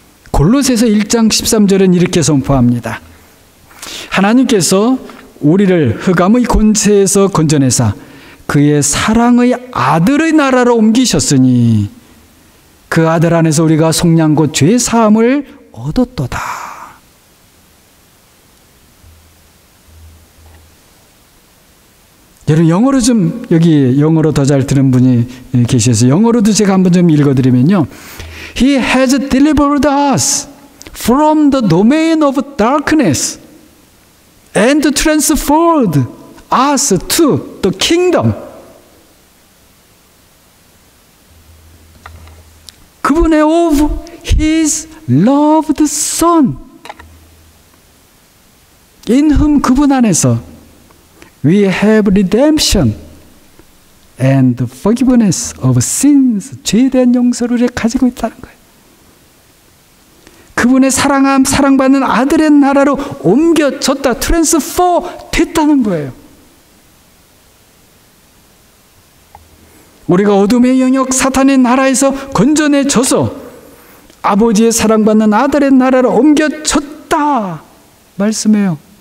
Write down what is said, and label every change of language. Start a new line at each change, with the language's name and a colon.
Korean: 골로새서 1장 13절은 이렇게 선포합니다. 하나님께서 우리를 흑암의 권세에서 건져내사 그의 사랑의 아들의 나라로 옮기셨으니 그 아들 안에서 우리가 속량고 죄사함을 얻었도다. 여러분 영어로 좀 여기 영어로 더 잘 들은 분이 계셔서 영어로도 제가 한번 좀 읽어드리면요.
English: He has delivered us from the domain of darkness and transferred us to the kingdom.
Korean: 그분의
English: of his loved son in whom
Korean: 그분 안에서
English: we have redemption and forgiveness of sins
Korean: 죄에 대한 용서를 가지고 있다는 거예요. 그분의 사랑함 사랑받는 아들의 나라로 옮겨졌다 트랜스포 됐다는 거예요. 우리가 어둠의 영역 사탄의 나라에서 건져내져서 아버지의 사랑받는 아들의 나라로 옮겨졌다 말씀해요.